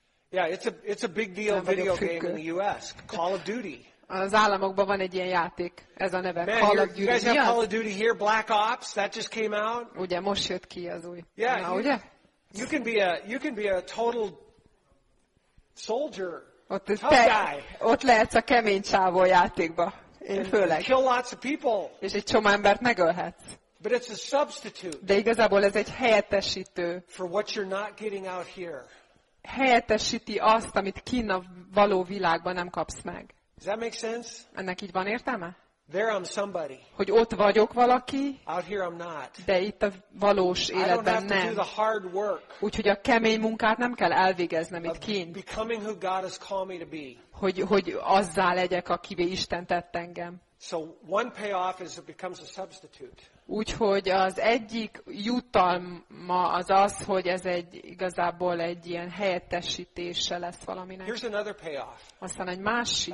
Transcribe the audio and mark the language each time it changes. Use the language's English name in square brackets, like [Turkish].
[English] Yeah, it's a big deal video game in the U.S. Call of Duty. [Hungarian] Az államokban van egy ilyen játék, ez a neve. [English] Man, Call of Duty. You guys have Call of Duty here, Black Ops, that just came out. [Hungarian] Ugye most jött ki az új. [English] Yeah, [Hungarian] na, ugye? [English] You can be a total soldier. [Hungarian] Ott te, ott lehetsz a kemény csávó játékba. Én főleg. [English] Kill lots of people. [Hungarian] És egy csomó embert megölhetsz. [English] But it's a substitute. [Hungarian] De igazából ez egy helyettesítő. [English] For what you're not getting out here. [Hungarian] Helyettesíti azt, amit kinn a való világban nem kapsz meg. [English] Does that make sense? [Hungarian] Ennek így van értelme? [English] There I'm somebody. [Hungarian] Hogy ott vagyok valaki, [English] out here I'm not. [Hungarian] De itt a valós életben [English] I don't have [Hungarian] nem. [English] To do the hard work. [Hungarian] Úgyhogy a kemény munkát nem kell elvégeznem itt kint. [English] Becoming who God has called me to be. [Hungarian] Hogy azzá legyek, akivé Isten tett engem. [English] So one payoff is it becomes a substitute. [Hungarian] Úgyhogy az egyik jutalma az az, hogy ez egy igazából egy ilyen helyettesítése lesz valaminek. [English] Here's another payoff. [Hungarian] Aztán egy másik.